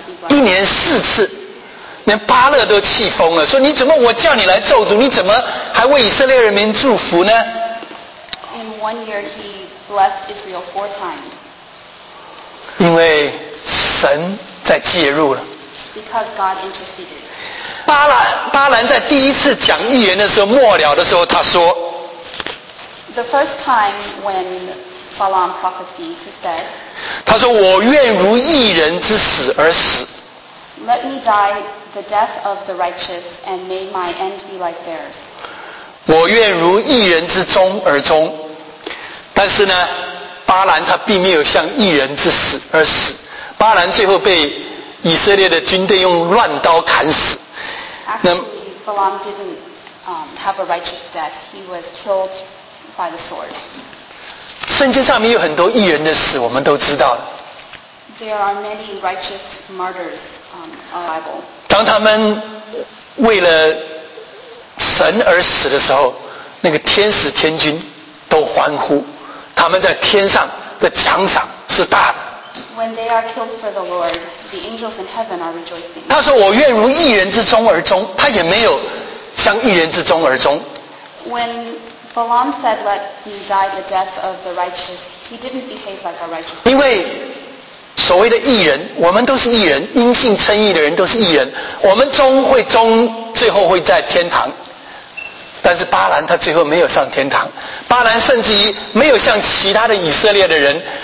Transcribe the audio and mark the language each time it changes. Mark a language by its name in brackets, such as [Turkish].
[Chinese] 一年四次，连巴勒都气疯了，说你怎么我叫你来咒诅，你怎么还为以色列人民祝福呢？ [English] In one year he blessed Israel four times. [Chinese] 因为神在介入了。 [English] Because God interceded. [Chinese] 巴巴兰在第一次讲预言的时候，末了的时候，他说 [English] ：“The first time when Balaam prophesied, he said, [Chinese] 他说我愿如义人之死而死。 [English] Let me die the death of the righteous, and may my end be like theirs. [Chinese] 我愿如义人之终而终。但是呢，巴兰他并没有像义人之死而死。巴兰最后被以色列的军队用乱刀砍死。” [English] Actually, Balaam didn't have a righteous death. He was killed by the sword. [Chinese] 圣经上面有很多义人的死，我们都知道。 [English] There are many righteous martyrs in the Bible. [Chinese] 当他们为了神而死的时候，那个天使天君都欢呼，他们在天上的奖赏是大的。 [English] When they are killed for the Lord, the angels in heaven are rejoicing. [Chinese] 他说：“我愿如义人之终而终。” 他也没有像义人之终而终。 [English] When Balaam said, "Let me die the death of the righteous," he didn't behave like a righteous. [Chinese] 因为所谓的义人，我们都是义人，因信称义的人都是义人。我们终会终，最后会在天堂。但是巴兰他最后没有上天堂。巴兰甚至于没有像其他的以色列的人。